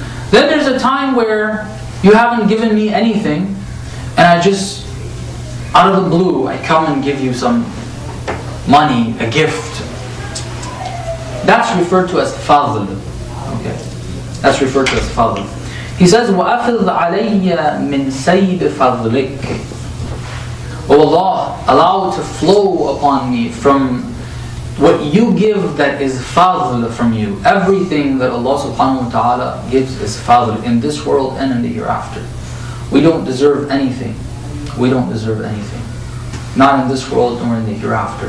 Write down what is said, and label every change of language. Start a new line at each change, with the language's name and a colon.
English: Then there's a time where you haven't given me anything, and I just, out of the blue, I come and give you some money, a gift. That's referred to as fadl. Okay. That's referred to as fadl. He says,
Arabic: وَأَفِضْ عَلَيَّ مِنْ سَيْدِ فَضْلِكَ.
English: O Allah, allow to flow upon me from what you give that is fadl from you. Everything that Allah subhanahu wa ta'ala gives is fadl in this world and in the hereafter. We don't deserve anything. We don't deserve anything. Not in this world nor in the hereafter.